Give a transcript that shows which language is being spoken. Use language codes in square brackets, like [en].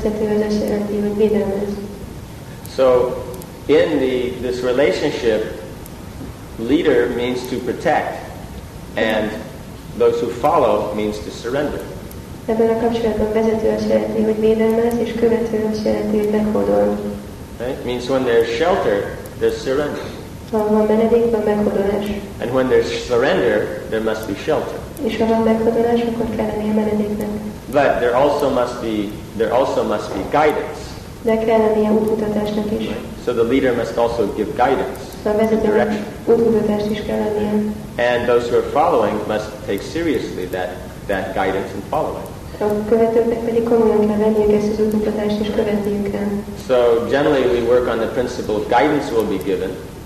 [en] So in this relationship, leader means to protect, and those who follow means to surrender. [hu] Ebben a kapcsolatban vezető azt jelenti, hogy védelmez, és követő azt jelenti, hogy meghódol. [en] Right? Means when there's shelter, there's surrender. [hu] Ha van menedék, van meghódolás. [en] And when there's surrender, there must be shelter. [hu] És ha van meghódolás, akkor kell lenni a menedéknek. [en] But there also must be guidance. [hu] De kell lenni a útmutatásnak is. [en] So the leader must also give guidance. direction. And those who are following must take seriously that, that guidance and following. So generally we work on the principle of guidance will be given.